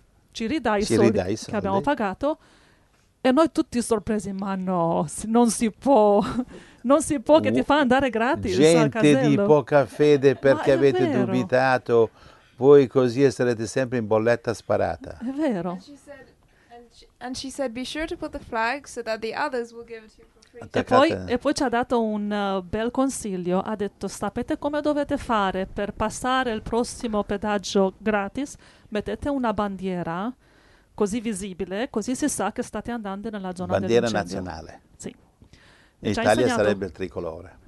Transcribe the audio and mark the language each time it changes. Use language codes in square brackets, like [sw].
[it] Ci ridai i soldi che abbiamo pagato? E noi tutti sorpresi, ma no, non si può, non si può che ti fa andare gratis. Gente al casello. Di poca fede, perché avete vero. Dubitato, voi così sarete sempre in bolletta sparata. È vero. [en] And she said, be sure to put the flag so that the others will give it to you for free. [it] E poi ci ha dato un bel consiglio, ha detto, sapete come dovete fare per passare il prossimo pedaggio gratis? Mettete una bandiera così visibile, così si sa che state andando nella zona bandiera dell'incendio. Nazionale. Sì. In Italia sarebbe il tricolore.